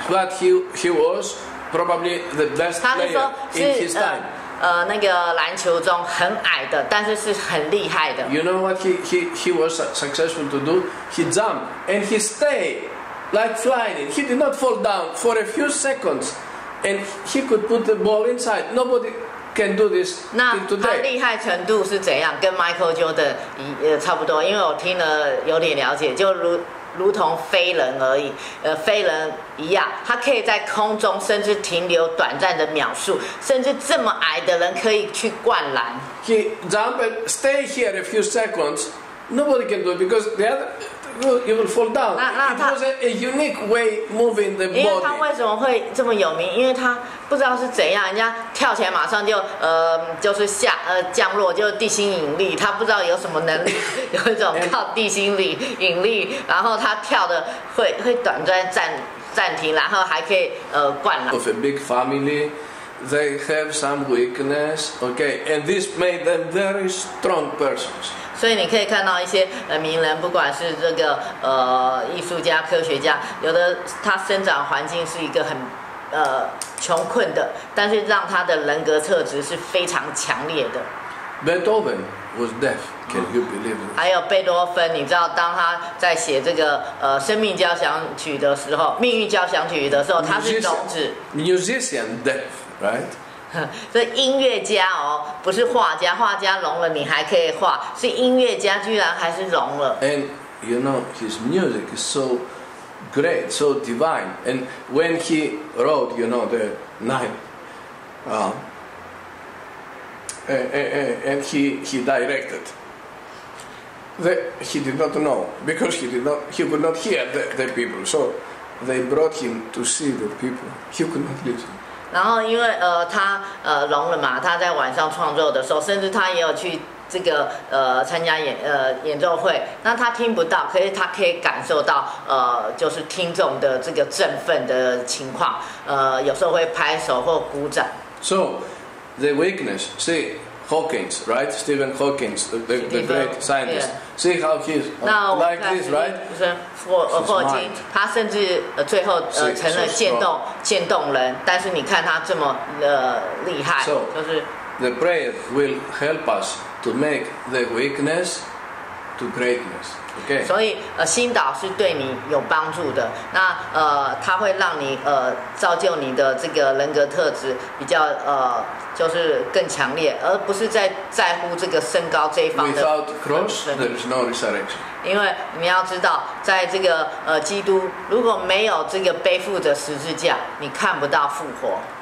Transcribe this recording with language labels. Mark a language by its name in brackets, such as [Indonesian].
[English] But he was probably the best player in his time. [Chinese] 那个篮球中很矮的，但是很厉害的。 [English] You know what he was successful to do? He jumped and he stayed. Like flying, he did not fall down for a few seconds, and he could put the ball inside. Nobody can do this today. [Chinese] 那他厉害程度是怎样？跟 Michael Jordan 差不多，因为我听了有点了解，就如同飞人而已，飞人一样，他可以在空中甚至停留短暂的秒数，甚至这么矮的人可以去灌篮。 [English] He jump and stay here a few seconds. Nobody can do it because the other. You will fall down. It was a unique way moving the body. [Chinese] 因为他为什么会这么有名？因为他不知道是怎样，人家跳起来马上就就是下降落，就是地心引力。他不知道有什么能力，有一种靠地心力引力，然后他跳的会短暂暂停，然后还可以灌篮。 [English] Of a big family, they have some weakness, okay, and this made them very strong persons. [Chinese] 所以你可以看到一些名人，不管是这个艺术家、科学家，有的他生长环境是一个很穷困的，但是让他的人格特质是非常强烈的。 [English] Beethoven was deaf. Can you believe it? [Chinese] 还有贝多芬，你知道当他在写这个生命交响曲的时候，命运交响曲的时候，他是聋子。 [English] Musician deaf, right? [Chinese] 这音乐家哦，不是画家，画家聋了你还可以画，是音乐家居然还是聋了。 [English] And you know his music is so great, so divine. And when he wrote, you know, the ninth, and he directed, that he did not know because he could not hear the people. So they brought him to see the people. He could not listen. [Chinese] 然后因为他聋了嘛，他在晚上创作的时候，甚至他也有去这个参加演奏会，那他听不到，可是他可以感受到就是听众的这个振奋的情况，有时候会拍手或鼓掌。 [English] So the weakness, see Hawkins, right? Stephen Hawking, the great scientist.、Yeah. See how he's like this, right? [Chinese] 霍金，他甚至最后成了渐冻人，但是你看他这么厉害， [English] so, [Chinese] 就是 [English] the prayer will help us to make the weakness to greatness. Okay. [Chinese] 所以心导是对你有帮助的，那他会让你造就你的这个人格特质比较就是更强烈，而不是在乎这个身高这一方的。 [English] Without cross, there is no resurrection. [Chinese] 因为你要知道，在这个基督如果没有这个背负着十字架，你看不到复活。